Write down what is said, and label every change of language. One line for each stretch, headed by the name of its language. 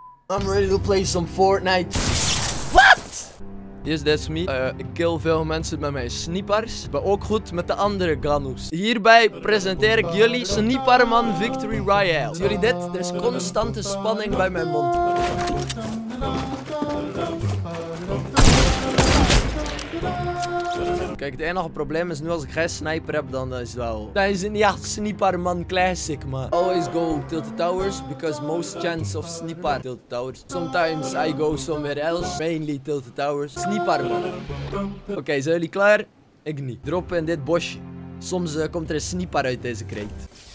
English: I'm ready to play some Fortnite. What? Yes, that's me.
Dutch: Ik kill veel mensen met mijn snipers. Ik ben ook goed met de andere Ganoes. Hierbij presenteer ik jullie Sniperman Victory Royale. Zien jullie dit? Er is constante spanning bij mijn mond. Kijk, het enige probleem is nu als ik geen sniper heb, dan is het wel... Dan is het niet echt Sniperman Classic, man.
English: Always go Tilted Towers, because most chance of Sniper Tilted Towers. Sometimes I go somewhere else, mainly Tilted Towers.
Dutch: Sniperman. Oké, zijn jullie klaar? Ik niet. Droppen in dit bosje. Soms komt er een sniper uit deze kreet.